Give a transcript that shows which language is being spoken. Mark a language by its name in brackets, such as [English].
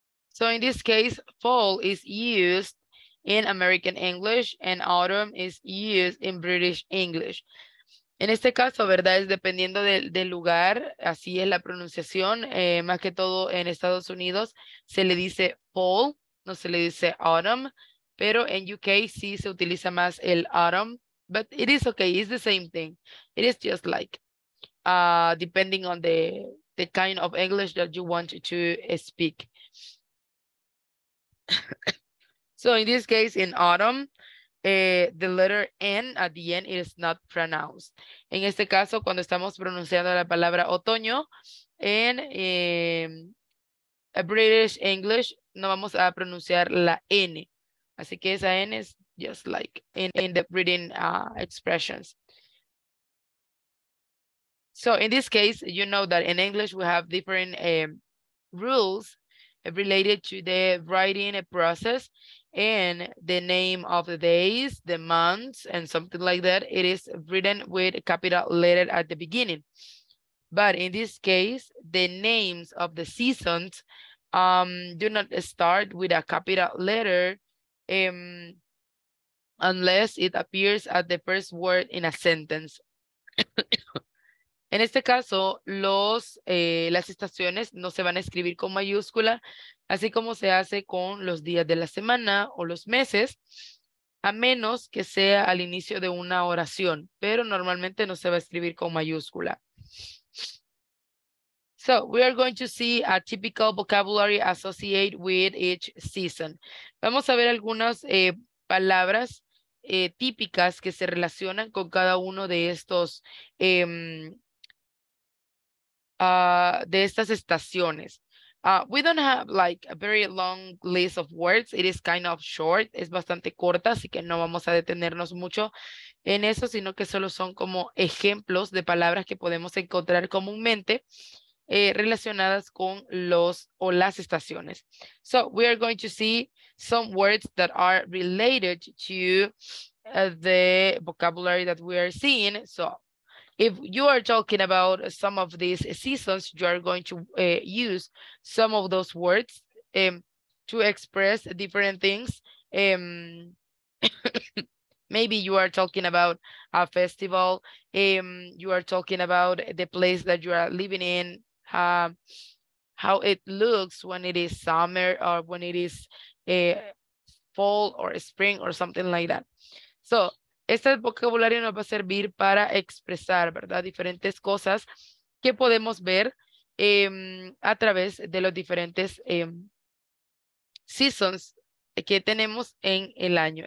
[English] So in this case, fall is used in American English and autumn is used in British English. [Spanish] En este caso, ¿verdad? Es dependiendo del lugar, así es la pronunciación. Más que todo en Estados Unidos se le dice fall, no se le dice autumn. Pero en UK sí se utiliza más el autumn. [English] But it is okay, it's the same thing. It is just like depending on the kind of English that you want to speak. So in this case, in autumn, the letter N at the end is not pronounced. [Spanish] En este caso, cuando estamos pronunciando la palabra otoño, en British English, no vamos a pronunciar la N. Así que esa N es [English] just like in the written expressions. So in this case, you know that in English, we have different rules related to the writing process and the name of the days, the months, and something like that. It is written with a capital letter at the beginning. But in this case, the names of the seasons do not start with a capital letter unless it appears at the first word in a sentence. [Spanish] En este caso, las estaciones no se van a escribir con mayúscula, así como se hace con los días de la semana o los meses, a menos que sea al inicio de una oración, pero normalmente no se va a escribir con mayúscula. [English] So, we are going to see a typical vocabulary associated with each season. [Spanish] Vamos a ver algunas palabras típicas que se relacionan con cada uno de estos de estas estaciones. [English] We don't have like a very long list of words. It is kind of short. [Spanish] Es bastante corta, así que no vamos a detenernos mucho en eso, sino que solo son como ejemplos de palabras que podemos encontrar comúnmente relacionadas con los o las estaciones. [English] So we are going to see some words that are related to the vocabulary that we are seeing. So if you are talking about some of these seasons, you are going to use some of those words to express different things. maybe you are talking about a festival. You are talking about the place that you are living in, how it looks when it is summer or when it is fall or spring or something like that. [Spanish] So, este vocabulario nos va a servir para expresar, ¿verdad?, diferentes cosas que podemos ver a través de los diferentes seasons que tenemos en el año.